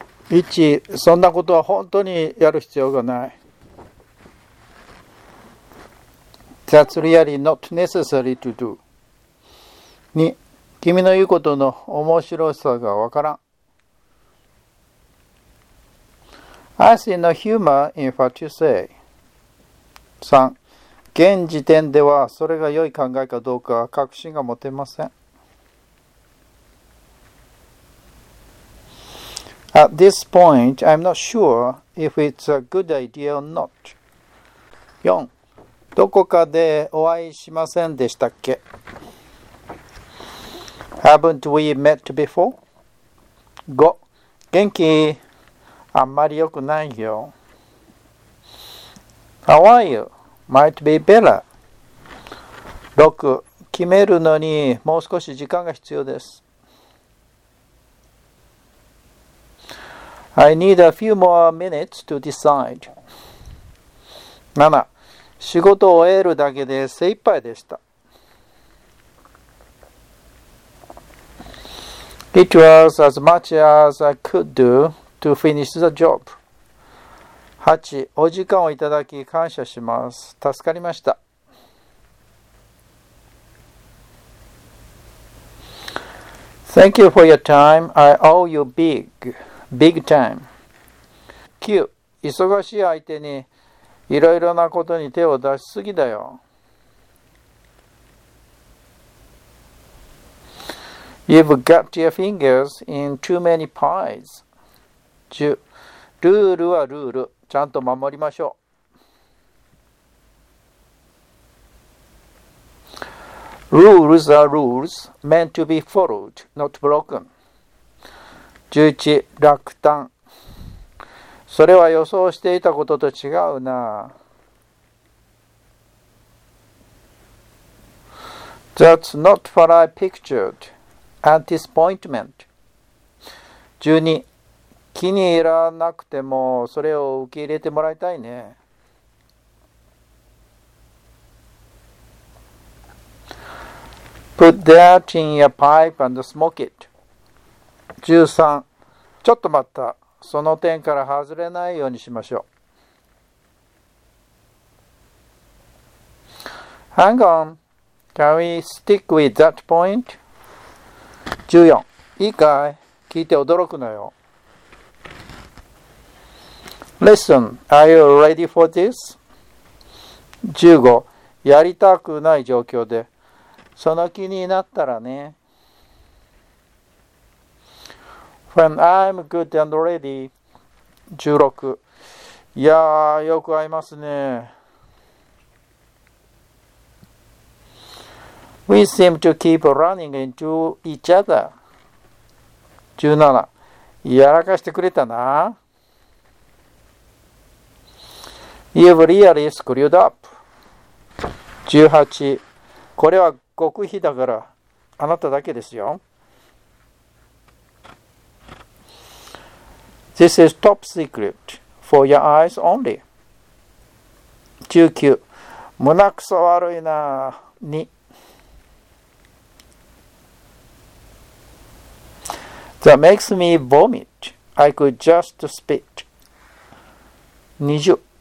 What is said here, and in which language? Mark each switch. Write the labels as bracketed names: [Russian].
[Japanese] 1、そんなことは本当にやる必要がない。 [English] That's really not necessary to do. [Japanese] 2、君の言うことの面白さがわからん。 [English] I see no humor in what you say. [Japanese] 3、現時点ではそれが良い考えかどうか確信が持てません。 [English] At this point, I'm not sure if it's a good idea or not. 4. [Japanese] どこかでお会いしませんでしたっけ? [English] Haven't we met before? 5. [Japanese] 元気あんまり良くないよ。 [English] How are you? Might be better. 6. [Japanese] 決めるのにもう少し時間が必要です。 [English] I need a few more minutes to decide. 7. [Japanese] 仕事を終えるだけで精一杯でした。 [English] It was as much as I could do to finish the job. 8. [Japanese] お時間をいただき感謝します。助かりました。 [English] Thank you for your time. I owe you big. Big time. 9. [Japanese] 忙しい相手にいろいろなことに手を出しすぎだよ。 [English] You've got your fingers in too many pies. [Japanese] 10. ルールはルール。ちゃんと守りましょう。 [English] Rules are rules meant to be followed, not broken. [Japanese] 11. 落胆。それは予想していたことと違うな。 [English] That's not what I pictured. Disappointment. 12. [Japanese] 気に入らなくてもそれを受け入れてもらいたいね。 [English] Put that in your pipe and smoke it. [Japanese] 13. ちょっと待った。その点から外れないようにしましょう。 [English] Hang on. Can we stick with that point? 14. [Japanese] いいかい? 聞いて驚くなよ。 [English] Listen, are you ready for this? 15. [Japanese] やりたくない状況で。その気になったらね。 [English] When I'm good and ready. 16. [Japanese] いやー、よく合いますね。 [English] We seem to keep running into each other. 17. [Japanese] やらかしてくれたな。 [English] You've really screwed up. 18. [Japanese] これは極秘だから、あなただけですよ。 [English] This is top secret for your eyes only. [Japanese] 19. 胸くそ悪いな。2. [English] That makes me vomit. I could just spit. 20.